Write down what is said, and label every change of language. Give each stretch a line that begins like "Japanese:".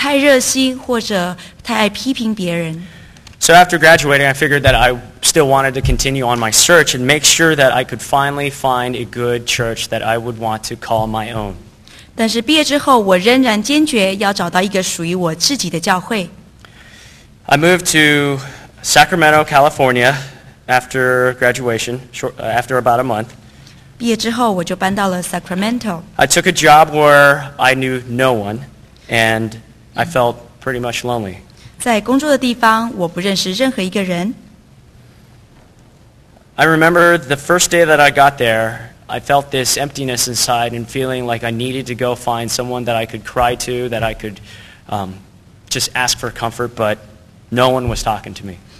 Chinese: 但是我觉得参加这些社团并没有对我有很大的帮助。我觉得他们或许是太热心，或者太爱批评别人。
English: So after graduating, I figured that I still wanted to continue on my search and make sure that I could finally find a good church that I would want to call my own.
Chinese: 但是毕业之后，我仍然坚决要找到一个属于我自己的教会。
English: I moved to Sacramento, California after graduation, after about a month.
Chinese: 毕业之后，我就搬到了Sacramento。
English: I took a job where I knew no one, and I felt pretty much lonely.
Chinese: 在工作的地方，我不认识任何一个人。
English: I remember the first day that I got there, I felt this emptiness inside and feeling like I needed to go find someone that I could cry to, that I could just ask for comfort, but no one was talking to me.